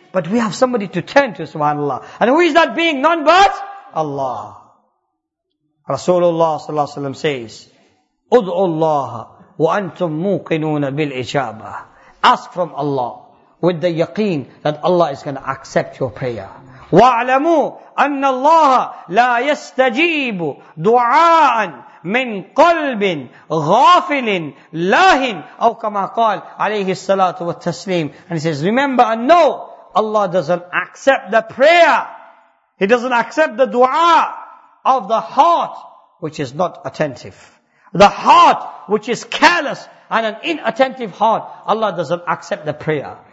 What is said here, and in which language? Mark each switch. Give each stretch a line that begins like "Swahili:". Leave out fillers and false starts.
English: But we have somebody to turn to, subhanAllah. And who is that being? None but Allah. Rasulullah sallallahu alayhi wa sallam says,
Arabic: اُدْعُوا اللَّهَ وَأَنْتُمْ مُوقِنُونَ بِالْإِجَابَةِ.
English: Ask from Allah with the yaqeen that Allah is going to accept your prayer.
Arabic: وَاعْلَمُوا أَنَّ اللَّهَ لَا يَسْتَجِيبُ دُعَاءً من قلب غافل لاهن أو كما قال عليه الصلاة والتسليم.
English: And he says, remember and know, Allah doesn't accept the prayer. He doesn't accept the dua of the heart which is not attentive. The heart which is careless and an inattentive heart, Allah doesn't accept the prayer.